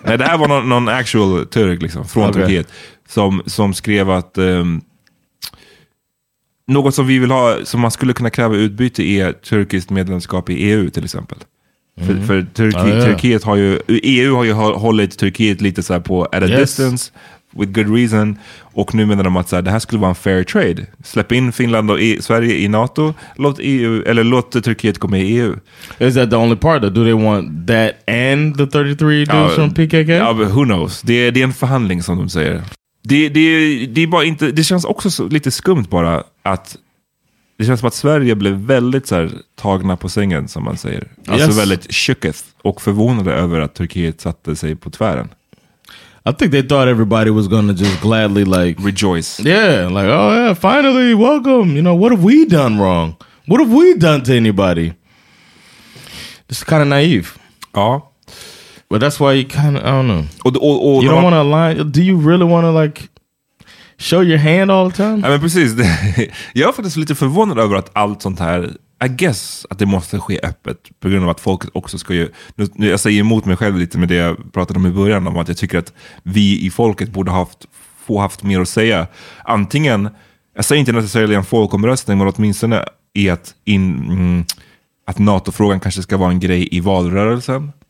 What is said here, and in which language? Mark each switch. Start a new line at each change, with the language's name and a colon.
Swedish: Nej, det här var någon actual turk liksom från Turkiet som skrev att något som vi vill ha, som man skulle kunna kräva utbyte, är turkiskt medlemskap i EU till exempel. För Turkiet har ju, EU har ju hållit Turkiet lite så här på
English: at a distance, with good reason.
Swedish: Och nu menar de att så här, det här skulle vara en
English: fair trade.
Swedish: Släpp in Finland och Sverige i NATO, låt Turkiet gå med i EU.
English: Is that the only part? Do they want that and the 33 dudes from PKK? Ja, who knows?
Swedish: Det är en förhandling, som de säger. Det är bara inte, det känns också så lite skumt bara att det känns som att Sverige blev väldigt så här tagna på sängen, som man säger. Alltså väldigt shooketh och förvånade över att Turkiet satte sig på tvären.
English: I think they thought everybody was gonna just gladly like rejoice. Yeah, like, oh yeah, finally, welcome. You know, what have we done wrong? What have we done to anybody? This is kind of naive.
Swedish: Ja.
English: But that's why you kind of, I don't know. Och you don't want to align. Do you really want to like show your hand all the time?
Swedish: Ja, men precis. Jag är faktiskt lite förvånad över att allt sånt här,
English: I guess,
Swedish: att det måste ske öppet på grund av att folk också ska ju, nu jag säger emot mig själv lite med det jag pratade om i början, om att jag tycker att vi i folket borde haft mer att säga. Antingen, jag säger inte necessarily en folkomröstning, men åtminstone i att NATO-frågan kanske ska vara en grej i valrörelsen.